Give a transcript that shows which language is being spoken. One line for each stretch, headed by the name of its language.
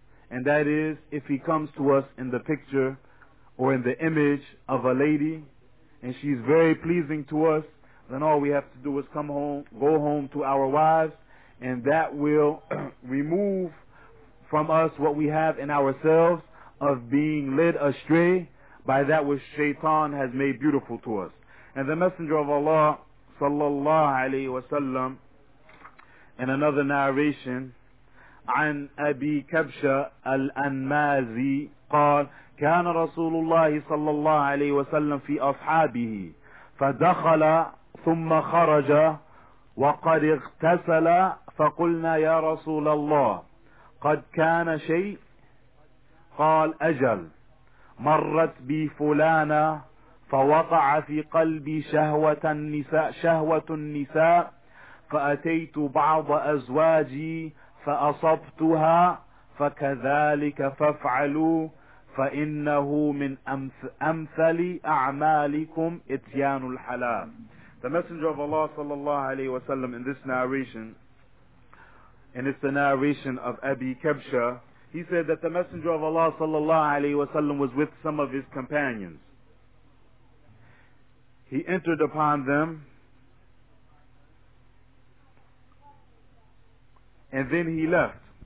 English: And that is, if he comes to us in the picture or in the image of a lady and she's very pleasing to us, then all we have to do is come home, go home to our wives, and that will remove from us what we have in ourselves of being led astray by that which Shaytan has made beautiful to us. And the Messenger of Allah, sallallahu alayhi wa sallam, in another narration,
Arabic: عن أبي كبشة الأنمازي قال كان رسول الله صلى الله عليه وسلم في أصحابه فدخل ثم خرج وقد اغتسل فقلنا يا رسول الله قد كان شيء؟ قال أجل مرت بي فلانة فوقع في قلبي شهوة النساء فأتيت بعض أزواجي فأصبتها فكذلك فافعلوا فإنه من أمثل أعمالكم إتيان الحلال.
English: The Messenger of Allah sallallahu alayhi wa sallam in this narration, and it's the narration of Abi Kabsha, he said that the Messenger of Allah sallallahu alayhi wa sallam was with some of his companions. He entered upon them, and then he left.